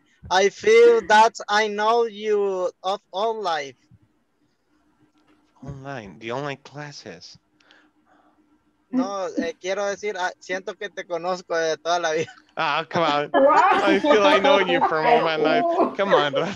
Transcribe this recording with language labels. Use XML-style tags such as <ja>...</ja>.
<en>I feel that I know you of all life. Online, the online classes.</en> <es>No, quiero decir, siento que te conozco de toda la vida.</es> <en>Ah, come on. I feel I know you from all my life. Come on.</en>